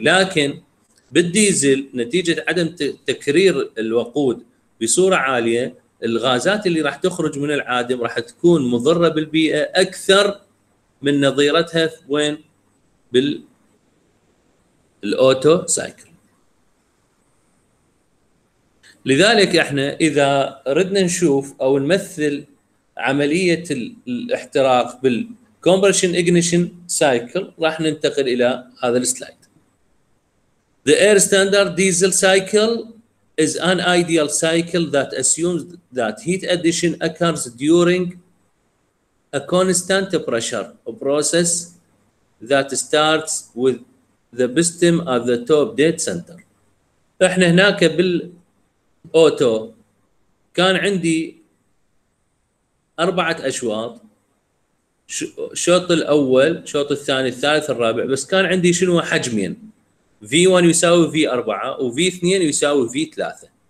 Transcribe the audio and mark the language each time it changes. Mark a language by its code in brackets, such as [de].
[ar] لكن بالديزل نتيجة عدم تكرير الوقود بصورة عالية الغازات اللي راح تخرج من العادم راح تكون مضرة بالبيئة أكثر من نظيرتها وين؟ بالأوتو سايكل. لذلك احنا إذا ردنا نشوف أو نمثل عملية الاحتراق بالكومبريشن إغنيشن سايكل راح ننتقل إلى هذا السلايد. [en] The air standard diesel cycle is an ideal cycle that assumes that heat addition occurs during a constant pressure process that starts with the piston at the top dead center. [ar] احنا هناك بالاوتو كان عندي اربعة اشواط، الشوط الاول، الشوط الثاني، الثالث، الرابع، بس كان عندي شنو حجمين V1 يساوي V4 و V2 يساوي V3.